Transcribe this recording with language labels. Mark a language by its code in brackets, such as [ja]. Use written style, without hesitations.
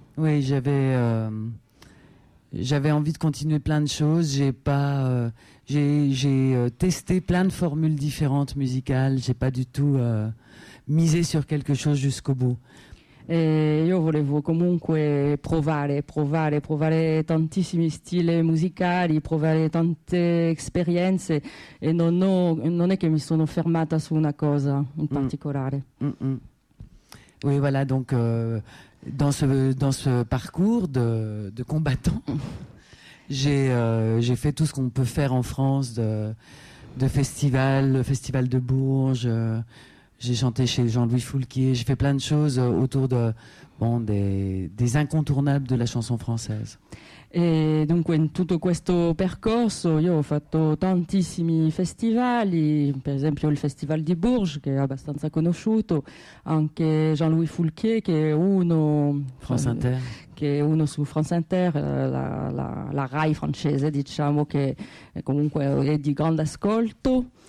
[fr] Oui, j'avais envie de continuer plein de choses. J'ai testé plein de formules différentes musicales. J'ai pas du tout misé sur quelque chose jusqu'au bout. [it] E io volevo comunque provare tantissimi stili musicali, provare tante esperienze e non è che mi sono fermata su una cosa in particolare. [fr] Oui, voilà, donc dans ce parcours de combattant, j'ai fait tout ce qu'on peut faire en France de festival, le festival de Bourges. J'ai chanté chez Jean-Louis Foulquier, j'ai fait plein de choses autour de des incontournables de la chanson française. [it] E dunque in tutto questo percorso io ho fatto tantissimi festivali, per esempio il Festival di Bourges che è abbastanza conosciuto, anche Jean-Louis Foulquier che è uno France Inter, che è uno su France Inter, la RAI francese, diciamo, che è comunque è di grande ascolto.